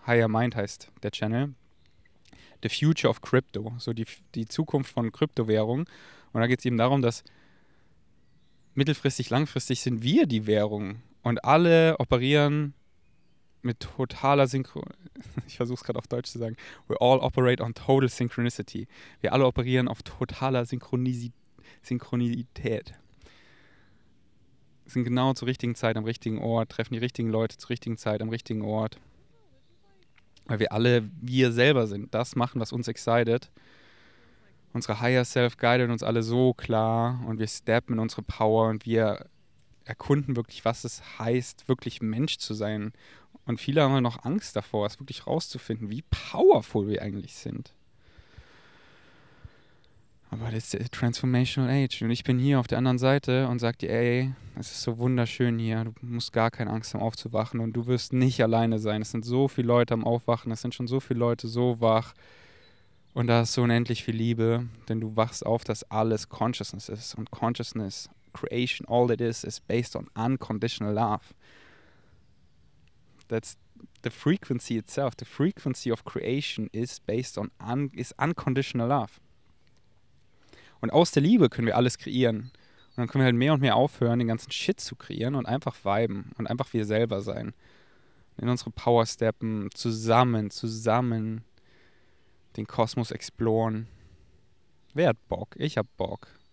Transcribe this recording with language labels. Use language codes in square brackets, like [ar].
[de] Higher Mind heißt der Channel. The Future of Crypto, so die Zukunft von Kryptowährungen. Und da geht es eben darum, dass mittelfristig, langfristig sind wir die Währung und alle operieren mit totaler Synchronicity. Ich versuche es gerade auf Deutsch zu sagen. [en] We all operate on total synchronicity. [de] Wir alle operieren auf totaler Synchronität. Sind genau zur richtigen Zeit am richtigen Ort, treffen die richtigen Leute zur richtigen Zeit am richtigen Ort. Weil wir alle, wir selber sind, das machen, was uns excited. Unsere Higher Self guidet uns alle so klar und wir steppen in unsere Power und wir erkunden wirklich, was es heißt, wirklich Mensch zu sein. Und viele haben noch Angst davor, es wirklich rauszufinden, wie powerful wir eigentlich sind. Aber das ist Transformational Age und ich bin hier auf der anderen Seite und sage dir, ey, es ist so wunderschön hier, du musst gar keine Angst haben aufzuwachen und du wirst nicht alleine sein. Es sind so viele Leute am Aufwachen, es sind schon so viele Leute so wach und da ist so unendlich viel Liebe, denn du wachst auf, dass alles Consciousness ist und [en] Consciousness, Creation, all that is based on unconditional love. That's the frequency itself, the frequency of creation is based on unconditional love. [de] Und aus der Liebe können wir alles kreieren. Und dann können wir halt mehr und mehr aufhören, den ganzen Shit zu kreieren und einfach viben und einfach wir selber sein. In unsere Power steppen, zusammen den Kosmos exploren. Wer hat Bock? Ich hab Bock.